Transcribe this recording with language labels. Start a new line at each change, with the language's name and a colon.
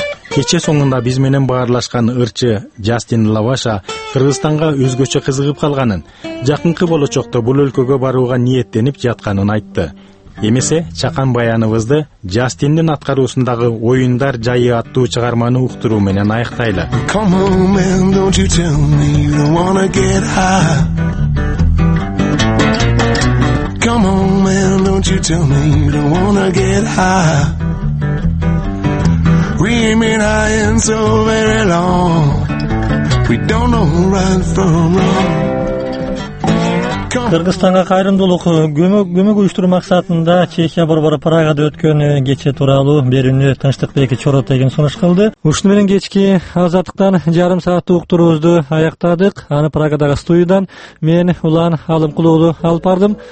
Kyrgyz: Кече соңунда биз менен баарлашкан ырчы Джастин Лаваша Кыргызстанга өзгөчө кызыгып калганын, жакынкы болочокто бул өлкөгө барууга ниеттенип жатканын айтты. Эмесе чакан баяныбызды Жастиндин аткаруусундагы оюндар жайы аттуу чыгарманы уктуруу менен аяктайлы.
English: Come on, man, don't you tell me you don't wanna get high. Come on, man, don't you tell me you don't wanna get high. We've been high in so very long. We don't know who right from wrong.
Kyrgyz: Кыргызстанга кайрымдуулук көмөк уюштуруу максатында Чехия борбору Прагада өткөн кече тууралуу берүүнү Тынчтыкбек Чоро тегин сунуш кылды. Ушуну менен кечки Азаттыктан жарым сааттык уктуруубузду аяктадык. Аны Прагадагы студиядан мен Улан Алымкул уулу алып бардым.